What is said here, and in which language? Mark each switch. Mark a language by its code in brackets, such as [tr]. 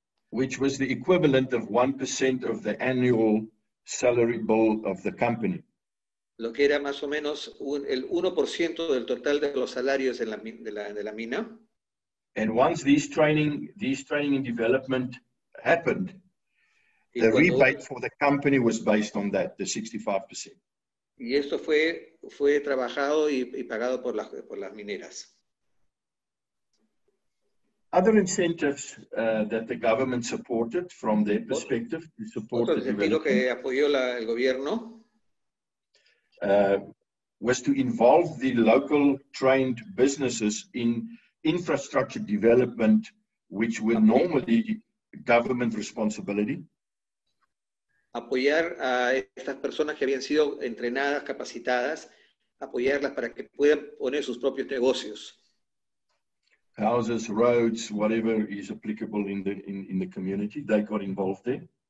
[en] Which was the equivalent of 1% of the annual salary bill of the company. [es] Lo que era más o menos el 1% del total de los salarios de la mina. [en] And once these training and development happened, the rebate for the company was based on that, the 65%. [es] Y esto fue trabajado y pagado por las mineras. [en] Other incentives that the government supported from their perspective to support the development [es] que apoyó el gobierno [en] was to involve the local trained businesses in infrastructure development, which were normally government responsibility. [es] Apoyar a estas personas que habían sido entrenadas, capacitadas, apoyarlas para que puedan poner sus propios negocios. [en] Houses, roads, whatever is applicable in the community, they got involved there.